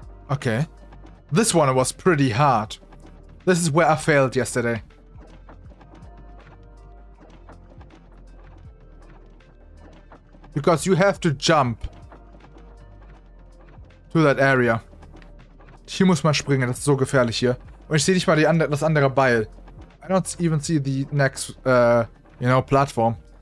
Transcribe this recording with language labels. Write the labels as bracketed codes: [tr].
[en] Okay. This one was pretty hard. This is where I failed yesterday. Because you have to jump to that area. [de] Hier muss man springen, das ist so gefährlich hier. Und ich sehe nicht mal das andere Beil. [en] I don't even see the next, you know, platform.